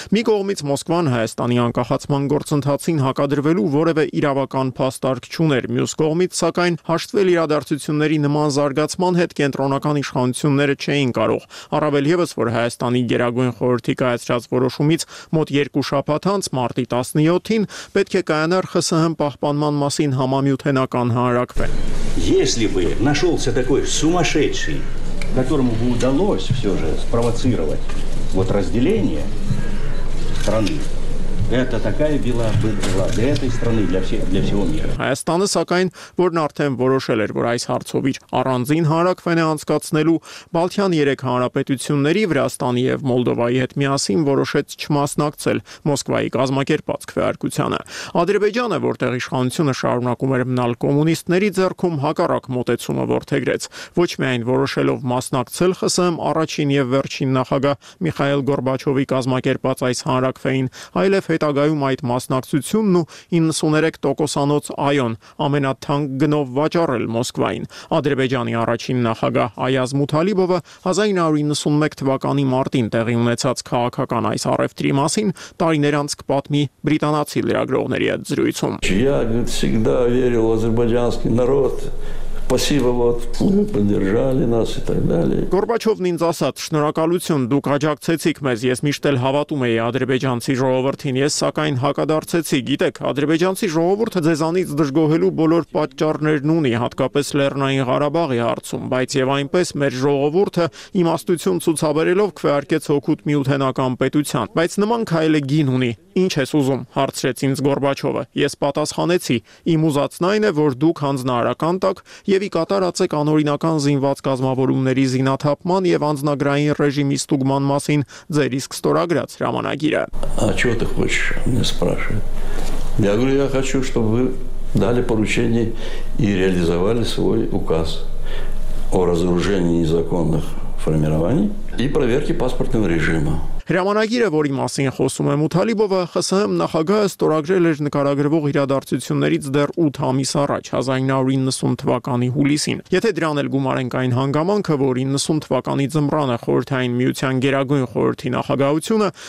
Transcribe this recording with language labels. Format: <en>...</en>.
<hy>Մի կողմից Մոսկվան Հայաստանի անկախացման գործընթացին հակադրվելու որևէ իրավական փաստարկ չուներ, մյուս կողմից, սակայն, հաշտվել իրադարձությունների նման զարգացման հետ կենտրոնական իշխանությունները չէին կարող, առավելևս, որ Հայաստանի Գերագույն խորհրդի կայացրած որոշումից մոտ 2 շաբաթ անց, մարտի 17-ին, պետք է կայանար ԽՍՀՄ պահպանման մասին համամիութենական հանրակվեն։</hy> <ru>Если бы нашёлся такой сумасшедший, которому бы удалось всё же спровоцировать вот разделение страны, это такая била бы дела для этой страны, для всего мира.</ru> <hy>Հայաստանը, սակայն, որն արդեն որոշել էր, որ այս հարցով իր առանձին հանրակվեն է անցկացնելու, Բալթյան 3 հանրապետությունների, Վրաստանի եւ Մոլդովայի հետ միասին որոշեց չմասնակցել Մոսկվայի կազմակերպած քվեարկությանը։ Ադրբեջանը, որտեղ իշխանությունը շարունակում էր մնալ կոմունիստների ձեռքում, հակառակ մոտեցումը որթեգրեց, ոչ միայն որոշելով մասնակցել ԽՍՀՄ առաջին եւ վերջին նախագահ Միխայել Գորբաչովի կազմակերպած այս հանրակվեին, այլ հետագայում այդ մասնակցությունն ու 93%-անոց այոն ամենաթանկ գնով վաճառել Մոսկվային։ Ադրբեջանի առաջին նախագահ Այազ Մութալիբովը 1991 թվականի մարտին տեղի ունեցած քաղաքական այս առևտրի մասին տարիներ անց կպատմի բրիտանացի լրագրողների հետ զրույցում։</hy> <ru>Я всегда верил в азербайджанский народ. Спасибо вот, вы поддержали нас и так далее.</ru> <hy>Գորբաչովն ինձ ասաց. Շնորհակալություն, դուք աջակցեցիք մեզ, ես միշտ էլ հավատում էի ադրբեջանցի ժողովրդին, ես սակայն հակադարձեցի, գիտեք, ադրբեջանցի ժողովուրդը ձեզանից դժգոհելու բոլոր պատճառներն ունի, հատկապես Լեռնային Ղարաբաղի հարցում, բայց եւ այնպես մեր ժողովուրդը իմաստություն ցուցաբերելով քվեարկեց հոգուտ Միութենական պետության, բայց նման քայլը գին ունի։ Ինչ ես ուզում, հարցրեց ինձ Գորբաչովը։ Ես պատասխանեցի, իմ ուզածն այն է, որ դուք հանձնարարական տաք եւ ի կատարածեք անօրինական զինված կազմավորումների զինաթափման եւ անձնագրային ռեժիմի ստուգման մասին ձեր իսկ ստորագրած հրամանագիրը։</hy> <ru>А что ты хочешь, мне спрашивают? Я говорю, я хочу, чтобы вы дали поручение и реализовали свой указ о разоружении незаконных формирований и проверке паспортного режима.</ru> <hy>Հրամանագիրը, որի մասին խոսում է Մութալիբովը, ԽՍՀՄ նախագահը ստորագրել էր նկարագրվող իրադարձություններից դեռ 8 ամիս առաջ, 1990 թվականի հուլիսին։ Եթե դրան էլ գումարենք այն հանգամանքը, որ 90 թվականի ձմռանը Խորհրդային Միության Գերագույն Խորհրդի նախագահությունը</hy>